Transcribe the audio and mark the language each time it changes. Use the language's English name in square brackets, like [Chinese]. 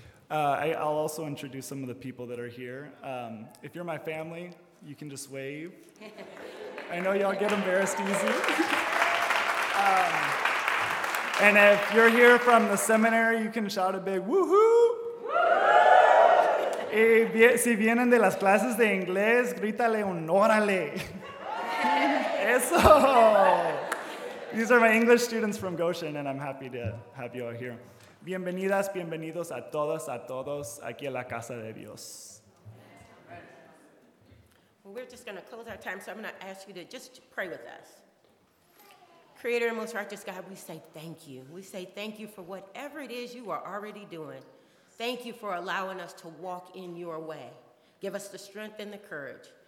[English] I'll also introduce some of the people that are here. If you're my family, you can just wave. I know y'all get embarrassed easy. And if you're here from the seminary, you can shout a big woohoo! Woohoo! [Spanish] Si vienen de las clases de inglés, grítale un órale. Eso! [English] These are my English students from Goshen, and I'm happy to have you all here. [Spanish] Bienvenidas, bienvenidos a todos, aquí a la Casa de Dios. [English] Well, we're just going to close our time, so I'm going to ask you to just pray with us. Creator and most righteous God, we say thank you. We say thank you for whatever it is you are already doing. Thank you for allowing us to walk in your way. Give us the strength and the courage.